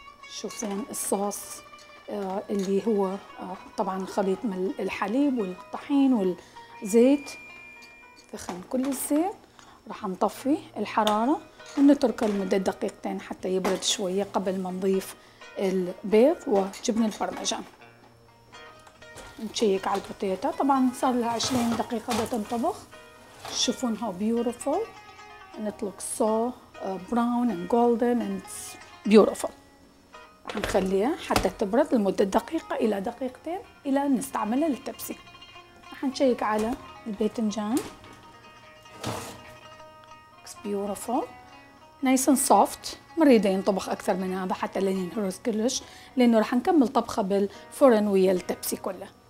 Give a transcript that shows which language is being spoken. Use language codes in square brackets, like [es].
[ar] شوفون الصوص اللي هو طبعا خليط من الحليب والطحين والزيت، دخن كل الزيت، راح نطفي الحرارة ونتركه لمدة 2 دقائق حتى يبرد شوية قبل ما نضيف البيض وجبن البرمجان. نشيك على البوتيتا، طبعا صار لها 20 دقيقة بتنطبخ، شوفونها [en] beautiful and it looks so brown and golden and it's beautiful. [ar] نخليها حتى تبرد لمدة 1 إلى 2 دقائق إلى نستعملها للتبسي. راح نشيك على الباذنجان، [en] looks beautiful nice and soft، [ar] مريدة ينطبخ أكثر من هذا حتى لين ينهرس كلش، لأنه راح نكمل طبخة بالفرن ويا التبسي كله.